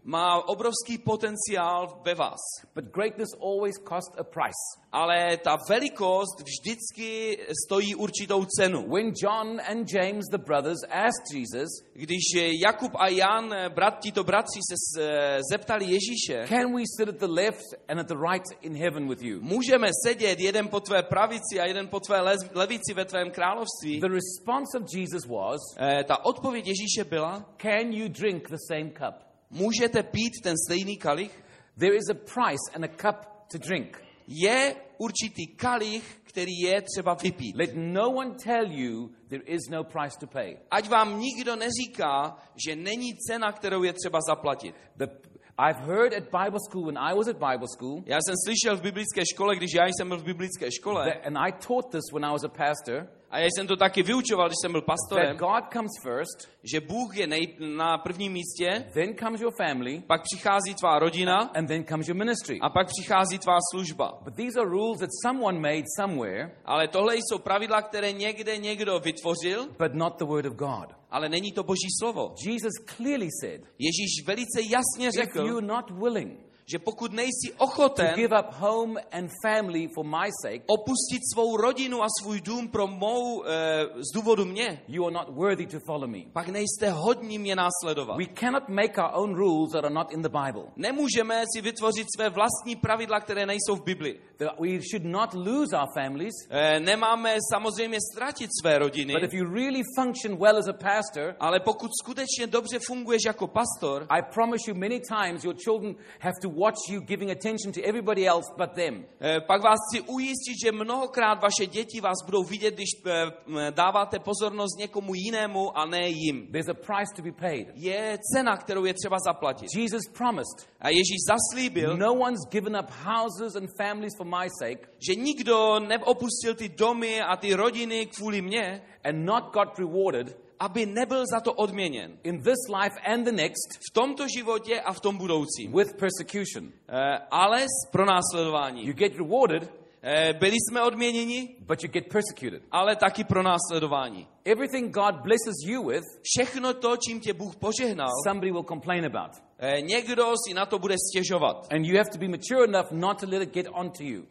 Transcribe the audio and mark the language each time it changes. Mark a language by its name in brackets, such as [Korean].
[Czech] Má obrovský potenciál ve vás. [English] But greatness always costs a price. [Czech] Ale ta velikost vždycky stojí určitou cenu. [English] When John and James the brothers asked Jesus, [Czech] když Jakub a Jan, tito bratři se zeptali Ježíše, [English] can we sit at the left and at the right in heaven with you? [Czech] Můžeme sedět jeden po tvé pravici a jeden po tvé levici ve tvém království? [English] The response of Jesus was, [Czech] ta odpověď Ježíše byla, [English] can you drink the same cup? [Czech] Můžete pít ten stejný kalich? [English] There is a price and a cup to drink. [Czech] Je určitý kalich, který je třeba vypít. [English] Let no one tell you there is no price to pay. [Czech] Ať vám nikdo neříká, že není cena, kterou je třeba zaplatit. [English] I've heard at Bible school when I was at Bible school. [Czech] Já jsem slyšel v biblické škole, když já jsem byl v biblické škole. [English] And I taught this when I was a pastor. [Czech] A já jsem to taky vyučoval, když jsem byl pastorem. [English] That God comes first, [Czech] že Bůh je na prvním místě. [English] Then comes your family, [Czech] pak přichází tvá rodina. [English] And then comes your ministry. [Czech] A pak přichází tvá služba. [English] But these are rules that someone made somewhere, [Czech] ale tohle jsou pravidla, které někde někdo vytvořil. [English] But not the word of God. [Czech] Ale není to Boží slovo. [English] Jesus clearly said, [Czech] Ježíš velice jasně řekl, [English] if you not willing, [Czech] že pokud nejsi ochoten [English] to give up home and family for my sake, [Czech] opustit svou rodinu a svůj dům pro mou z důvodu mě, [English] you are not worthy to follow me. [Czech] Pak nejste hodní mě následovat. [English] We cannot make our own rules that are not in the Bible. [Czech] Nemůžeme si vytvořit své vlastní pravidla, které nejsou v Biblii. [English] That we should not lose our families. [Czech] Nemáme samozřejmě ztratit své rodiny. [English] But if you really function well as a pastor, [Czech] ale pokud skutečně dobře funguješ jako pastor, [English] I promise you many times your children have to watch you giving attention to everybody else but them. [Czech] Pak vás chci ujistit, že mnohokrát vaše děti vás budou vidět, když dáváte pozornost někomu jinému a ne jim. [English] There's a price to be paid. [Czech] Je cena, kterou je třeba zaplatit. [English] Jesus promised. [Czech] A Ježíš zaslíbil. [English] No one's given up houses and families for my sake. [Czech] Že nikdo neopustil ty domy a ty rodiny kvůli mně. [English] And not got rewarded. [Czech] Aby nebyl za to odměněn. [English] In this life and the next, [Czech] v tomto životě a v tom budoucím. [English] With persecution, [Czech] ale s pronásledováním. [English] You get rewarded, [Czech] byli jsme odměněni, [English] but you get persecuted. [Czech] Ale taky pronásledování. [English] Everything God blesses you with, [Czech] všechno to, čím tě Bůh požehnal, [English] somebody will complain about. [Czech] Někdo si na to bude stěžovat. [English] And you have to be mature enough not to let it get onto you.